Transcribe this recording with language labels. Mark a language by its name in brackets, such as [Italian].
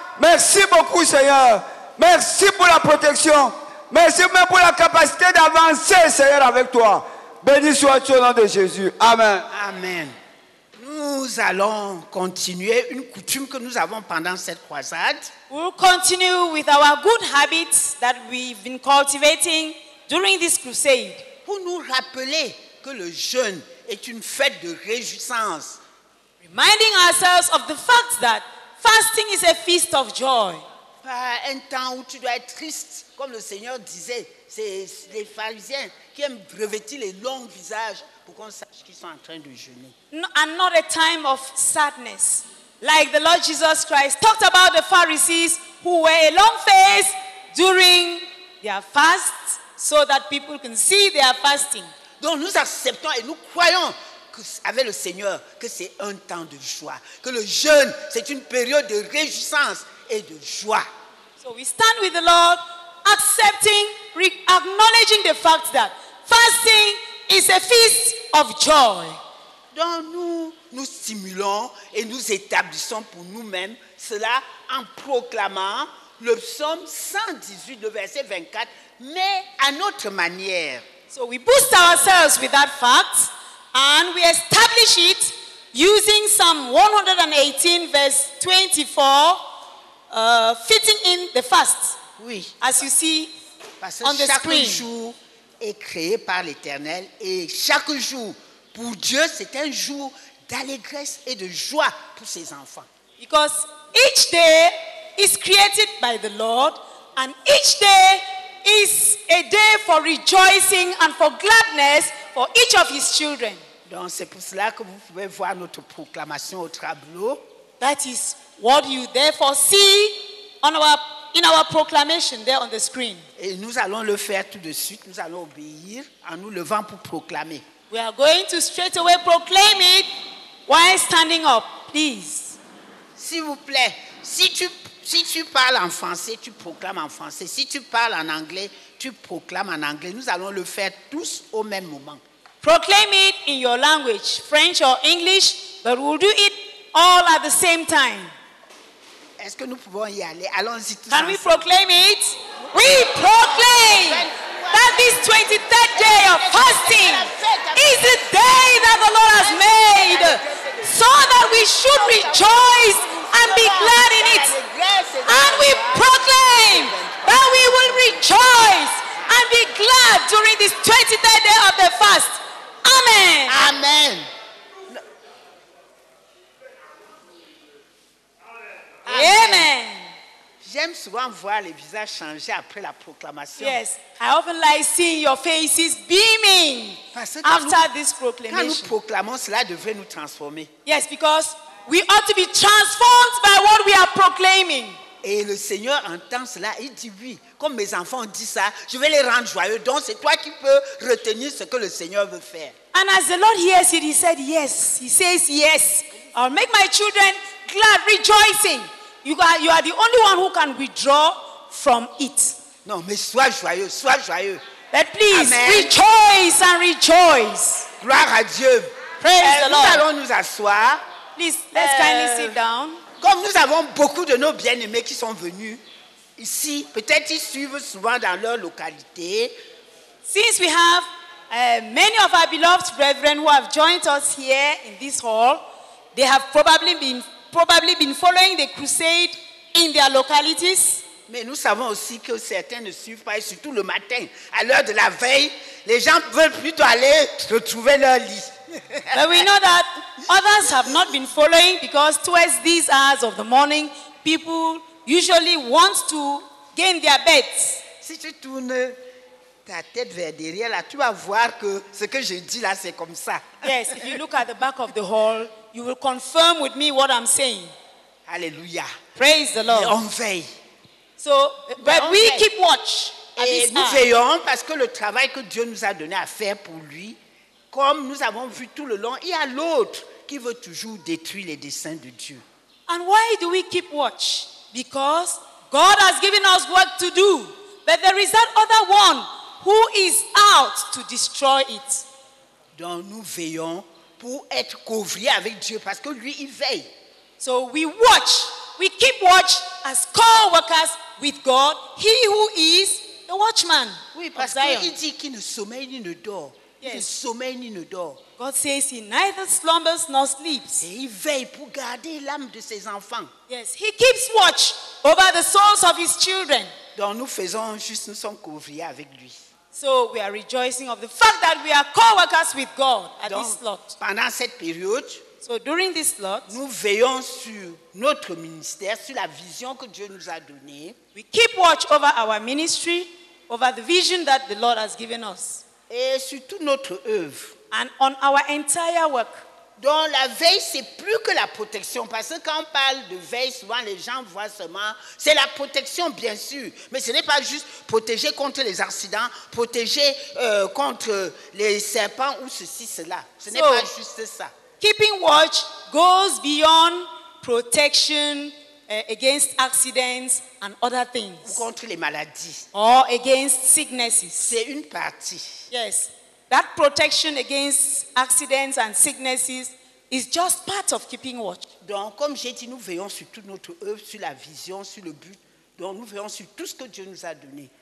[French] Merci beaucoup, Seigneur. Merci pour la protection. Merci même pour la capacité d'avancer, Seigneur, avec toi. Béni sois-tu au nom de Jésus. Amen. Amen. Nous allons continuer une coutume que nous avons pendant cette croisade. [English] We'll continue with our good habits that we've been cultivating during this crusade. [French] Pour nous rappeler que le jeûne est une fête de réjouissance. [English] Reminding ourselves of the fact that fasting is a feast of joy. [French] Pas un temps où tu dois être triste, comme le Seigneur disait. C'est les pharisiens qui aiment breveter les longs visages pour qu'on sache qu'ils sont en train de jeûner. [English] No, and not a time of sadness. Like the Lord Jesus Christ talked about the Pharisees who wear a long face during their fast so that people can see they are fasting. [French] Donc nous acceptons et nous croyons que, avec le Seigneur que c'est un temps de joie. Que le jeûne, c'est une période de réjouissance et de joie. [English] So we stand with the Lord, accepting, acknowledging the fact that fasting is a feast of joy. [French] Donc nous stimulons et nous établissons pour nous-mêmes cela en proclamant le psaume 118, le verset 24, mais à notre manière. [English] So we boost ourselves with that fact and we establish it using Psalm 118, verse 24, fitting in the fast. [French] Oui. [English] As you see [French] parce [English] on the [French] chaque [English] screen. [French] Jour est créé par l'Éternel et chaque jour pour Dieu c'est un jour d'allégresse et de joie pour ses enfants. [English] Because each day is created by the Lord and each day is a day for rejoicing and for gladness for each of his children. [French] Donc c'est pour cela que vous pouvez voir notre proclamation au tableau. [English] That is what you therefore see on our in our proclamation there on the screen. [French] Et nous allons le faire tout de suite. Nous allons obéir en nous levant pour proclamer. [English] We are going to straight away proclaim it while standing up, please. [French] S'il vous plaît, si tu parles en français, tu proclames en français. Si tu parles en anglais, tu proclames en anglais. Nous allons le faire tous au même moment. [English] Proclaim it in your language, French or English, but we'll do it all at the same time. [French] Est-ce que nous pouvons y aller? Allons-y tous. [English] Can [French] ensemble. [English] We proclaim it? We proclaim that this 23rd day of fasting is the day that the Lord has made so that we should rejoice and be glad in it. And we proclaim that we will rejoice and be glad during this 23rd day of the fast. Amen. Amen. Amen. Amen. [French] J'aime souvent voir les visages changer après la proclamation. [English] Yes, I often like seeing your faces beaming after this proclamation. [French] Quand nous proclamons, cela devrait nous transformer. [English] Yes, because we ought to be transformed by what we are proclaiming. [French] Et le Seigneur entend cela, il dit oui. Comme mes enfants ont dit ça, je vais les rendre joyeux. Donc c'est toi qui peux retenir ce que le Seigneur veut faire. [English] And as the Lord hears it, he said yes. He says yes. I'll make my children glad, rejoicing. You are the only one who can withdraw from it. [French] Non, mais sois joyeux, sois joyeux. [English] But please, amen. Rejoice and rejoice. [French] Gloire à Dieu. [English] Praise the Lord. [French] Nous allons nous asseoir. [English] Please, let's kindly sit down. [French] Comme nous avons beaucoup de nos bien-aimés qui sont venus ici, peut-être ils suivent souvent dans leur localité. [English] Since we have many of our beloved brethren who have joined us here in this hall, they have probably been following the crusade in their localities. [French] Mais nous savons aussi que certains ne suivent pas, et surtout le matin, à l'heure de la veille, les gens veulent plutôt aller retrouver leur lit. [English] But we know that others have not been following because towards these hours of the morning, people usually want to gain their beds. [French] Si tu tournes ta tête vers derrière, là, tu vas voir que ce que je dis là, c'est comme ça. [English] Yes, if you look at the back of the hall, you will confirm with me what I'm saying. Hallelujah. Praise the Lord. [French] On veille. [English] So, but we keep watch. [French] Et nous veillons parce que le travail que Dieu nous a donné à faire pour lui, comme nous avons vu tout le long, il y a l'autre qui veut toujours détruire les desseins de Dieu. [English] And why do we keep watch? Because God has given us work to do, but there is that other one who is out to destroy it. [French] Donc nous veillons pour être couverts avec Dieu parce que lui il veille. [English] So we watch, we keep watch as co-workers with God, he who is the watchman. [French] Oui, parce qu'il dit qu'il ne sommeille ni ne dort. Yes. Il ne sommeille ni ne dort. [English] God says he neither slumbers nor sleeps. [French] Et il veille pour garder l'âme de ses enfants. [English] Yes, he keeps watch over the souls of his children. [French] Donc nous faisons juste, nous sommes couverts avec lui. [English] So we are rejoicing of the fact that we are co-workers with God at [French] Donc, [English] this slot. [French] Pendant cette période, [English] so during this slot, [French] nous veillons sur notre ministère, sur la vision que Dieu nous a donnée. [English] We keep watch over our ministry, over the vision that the Lord has given us. [French] Et sur toute notre œuvre. [English] And on our entire work. [French] Donc la veille, c'est plus que la protection. Parce que quand on parle de veille, souvent les gens voient seulement, c'est la protection bien sûr. Mais ce n'est pas juste protéger contre les accidents, protéger contre les serpents ou ceci, cela. Ce n'est pas juste ça. [English] Keeping watch goes beyond protection against accidents and other things. [French] Ou contre les maladies. [English] Or against sicknesses. [French] C'est une partie. [English] Yes. That protection against accidents and sicknesses is just part of keeping watch. [French] Donc, comme j'ai dit, nous veillons sur toute notre œuvre, sur la vision, sur le but. Donc, nous veillons sur tout ce que Dieu nous a donné.